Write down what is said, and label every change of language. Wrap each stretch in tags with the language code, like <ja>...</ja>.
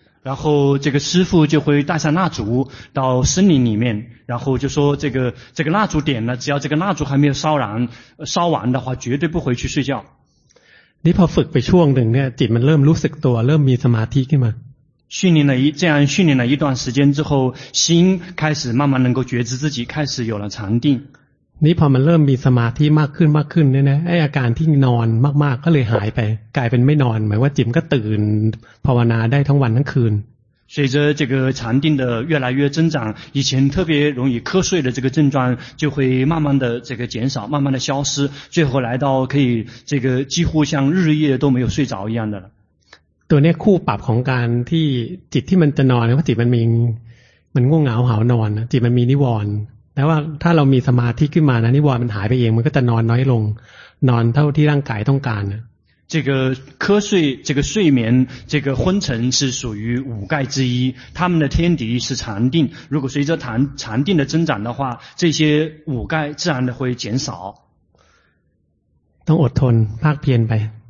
<zh>然后这个师父就会带上蜡烛到森林里面然后就说这个蜡烛点了只要这个蜡烛还没有烧完的话绝对不回去睡觉</zh> <th>นี่พอฝึกไปช่วงหนึ่งเนี่ยจิตมันเริ่มรู้สึกตัวเริ่มมีสมาธิขึ้นมา</th> <zh>训练了一这样训练了一段时间之后心开始慢慢能够觉知自己开始有了禅定</zh> <th>นี่พอมันเริ่มมีสมาธิมากขึ้นมากขึ้นเนี่ยไอ้อาการที่นอนมากๆก็เลยหายไปกลายเป็นไม่นอนหมายว่าจิตก็ตื่นภาวนาได้ทั้งวันทั้งคืน</th> <zh>随着这个禅定的越来越增长以前特别容易瞌睡的这个症状就会慢慢的这个减少慢慢的消失最后来到可以这个几乎像日夜都没有睡着一样的</zh> <th>ตัวเนี้ยคู่ปรับของการที่จิตที่มันจะนอนเพราะจิตมันง่วงเหงาหาวนอนจิตมันมีนิวรณ์แต่ว่าถ้าเรามีสมาธิขึ้นมานะนิวรณ์มันหายไปเองมันก็จะนอนน้อยลงนอนเท่าที่ร่างกายต้องการ</th> <zh>这个瞌睡这个睡眠这个昏沉是属于五盖之一他们的天敌是禅定如果随着禅定的增长的话这些五盖自然的会减少</zh> <th>ต้องอดทนภาคเพียรไป</th>